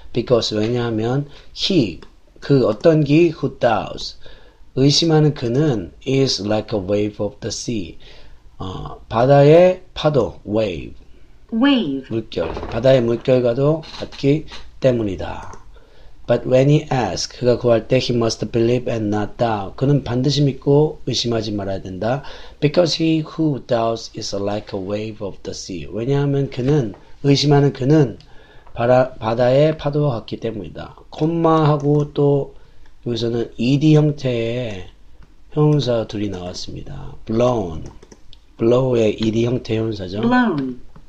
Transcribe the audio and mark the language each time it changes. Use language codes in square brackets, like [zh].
[en] Because, 왜냐하면, he, 그 어떤 기, who doubts. [ko] 의심하는 그는 [en] is like a wave of the sea. [ko] 바다의 파도, wave. [en] Wave. [ko] 물결. 바다의 물결과도 같기 때문이다. [en] But when he asks, [ko] 그가 구할 때, [en] he must believe and not doubt. [ko] 그는 반드시 믿고 의심하지 말아야 된다. [en] Because he who doubts is like a wave of the sea. [ko] 왜냐하면 그는, 의심하는 그는 바다의 파도와 같기 때문이다. 콤마하고 또, 여기서는 ed 형태의 형용사 둘이 나왔습니다. blow의 ed 형태 형용사죠. [en] Blown.